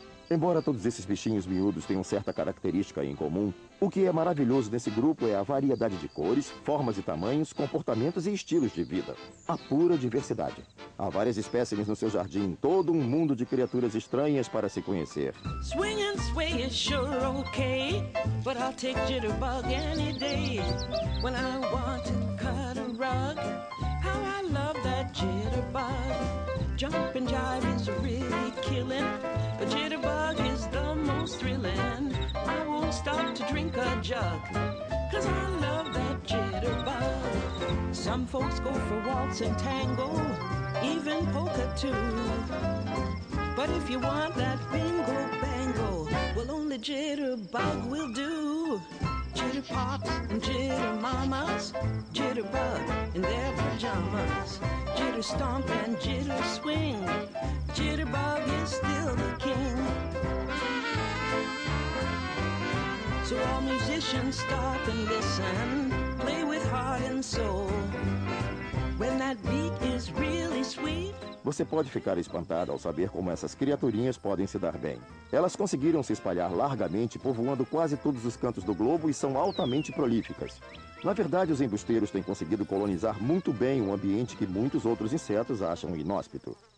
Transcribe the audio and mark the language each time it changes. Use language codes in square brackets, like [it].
[pt] Embora todos esses bichinhos miúdos tenham certa característica em comum, o que é maravilhoso nesse grupo é a variedade de cores, formas e tamanhos, comportamentos e estilos de vida. A pura diversidade. Há várias espécies no seu jardim, todo um mundo de criaturas estranhas para se conhecer. [en] Swing and sway is sure okay, but I'll take jitterbug any day. When I want to cut a rug, how I love that jitterbug. Jump and jive is really killing, but jitterbug is the most thrilling. I won't stop to drink a jug, 'cause I love that jitterbug. Some folks go for waltz and tango, even polka too. But if you want that bingo bango, well only jitterbug will do. Jitter pop and jitter mamas, jitterbug in their pajamas. Jitter stomp and jitter swing, jitterbug is still the king. So all musicians stop and listen, play with heart and soul. When that beat is really sweet. [pt] Você pode ficar espantado ao saber como essas criaturinhas podem se dar bem. Elas conseguiram se espalhar largamente, povoando quase todos os cantos do globo e são altamente prolíficas. Na verdade, os embusteiros têm conseguido colonizar muito bem um ambiente que muitos outros insetos acham inóspito.